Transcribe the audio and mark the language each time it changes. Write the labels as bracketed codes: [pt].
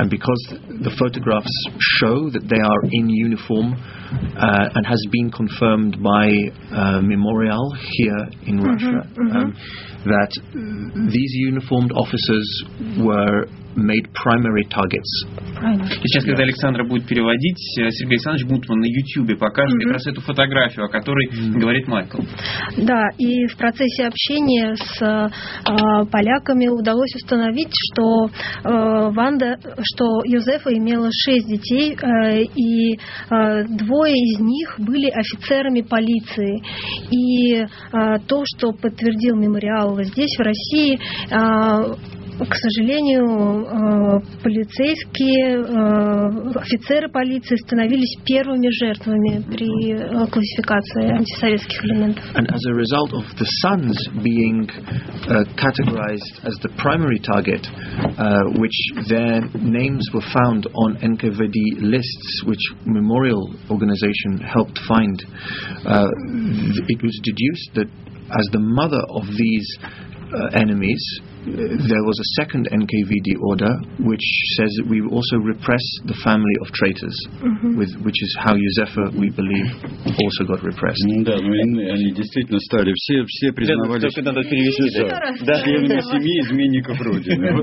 [en] And because the photographs show that they are in uniform and has been confirmed by Memorial here in Russia, that these uniformed officers were made primary targets. [ru] Сейчас, когда Александра будет переводить, Сергей Александрович Бунтман на YouTube покажет как раз эту фотографию, о которой говорит Майкл. Да, и в процессе общения с поляками удалось установить, что Ванда, что Йозефа имела 6 детей, и двое из них были офицерами полиции. И то, что подтвердил Мемориал здесь, в России, к сожалению, полицейские, офицеры полиции становились первыми жертвами при классификации антисоветских элементов. [en] And as a result of the sons being categorized as the primary target, which their names were found on NKVD lists, which Memorial organization helped find, it was deduced that as the mother of these enemies, there was a second NKVD order which says that we also repress the family of traitors, which is how Юзефа, we believe, also got repressed. [ru] Да, ну они действительно стали все признавались. Только надо перевести. Да, члены семьи изменников родины.